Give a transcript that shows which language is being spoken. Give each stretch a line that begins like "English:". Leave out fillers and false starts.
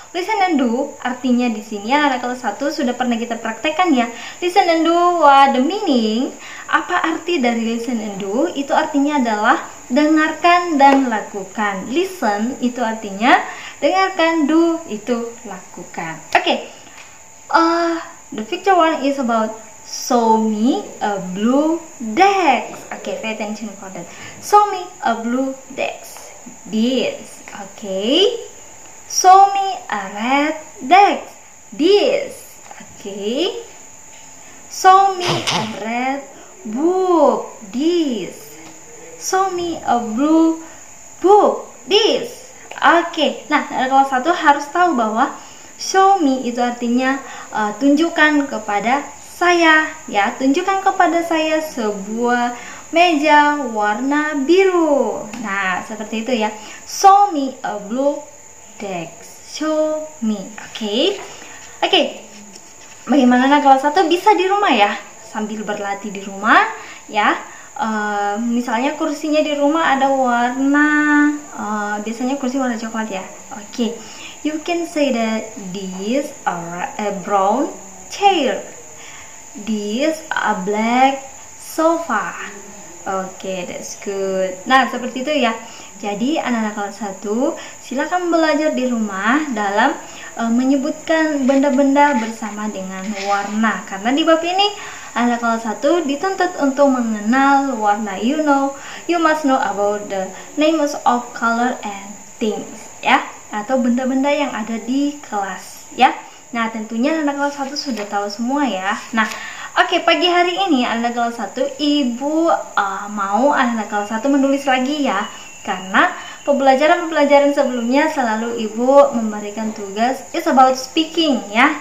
English: Listen and do,
Indonesian: artinya di sini anak kelas 1 sudah pernah kita praktekkan ya.
English: Listen and do, what the meaning?
Indonesian: Apa arti dari
English: listen and do?
Indonesian: Itu artinya adalah dengarkan dan lakukan.
English: Listen
Indonesian: itu artinya dengarkan, do itu lakukan. Oke. Okay.
English: The picture one is about show me a blue desk. Oke, okay, pay attention for that. Show me a blue desk. This. Oke. Okay. Show me a red desk. This. Okay. Show me a red book. This. Show me a blue book. This. Okay.
Indonesian: Nah, kelas 1 harus tahu bahwa
English: show me
Indonesian: itu artinya tunjukkan kepada saya. Ya, tunjukkan kepada saya sebuah meja warna biru. Nah, seperti itu ya.
English: Show me a blue desk. Show me. Okay.
Indonesian: Bagaimana anak kelas 1 bisa di rumah ya? Sambil berlatih di rumah ya. Misalnya kursinya di rumah ada warna biasanya kursi warna coklat ya. Okay.
English: You can say that this are a brown chair. This a black sofa. Okay, that's good.
Indonesian: Nah, seperti itu ya. Jadi, anak-anak kelas 1, silakan belajar di rumah dalam menyebutkan benda-benda bersama dengan warna. Karena di bab ini, anak kelas 1 dituntut untuk mengenal warna.
English: You know, you must know about the names of color and things,
Indonesian: ya. Atau benda-benda yang ada di kelas, ya. Nah, tentunya anak kelas 1 sudah tahu semua, ya. Nah, oke, pagi hari ini, anak kelas 1, ibu mau anak kelas 1 menulis lagi, ya. Karena pembelajaran-pembelajaran sebelumnya selalu ibu memberikan tugas
English: it's about speaking
Indonesian: ya.